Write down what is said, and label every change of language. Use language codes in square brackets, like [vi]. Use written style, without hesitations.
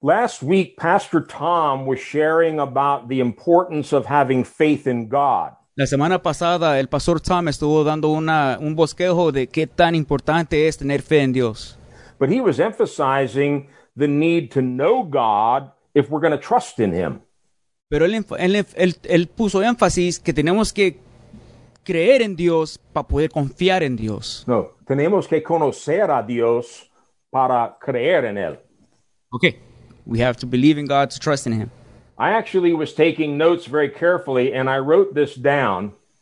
[en] Last week, Pastor Tom was sharing about the importance of having faith in God. [es] La semana pasada, el Pastor Tom estuvo dando un bosquejo de qué tan importante es tener fe en Dios. [en] But he was emphasizing the need to know God if we're going to trust in Him. [es] Pero él puso énfasis que tenemos que creer en Dios para poder confiar en Dios. No, tenemos que conocer a Dios para creer en Él. [en] Okay. We have to believe in God to trust in Him. I actually was taking notes very carefully, and I wrote this down.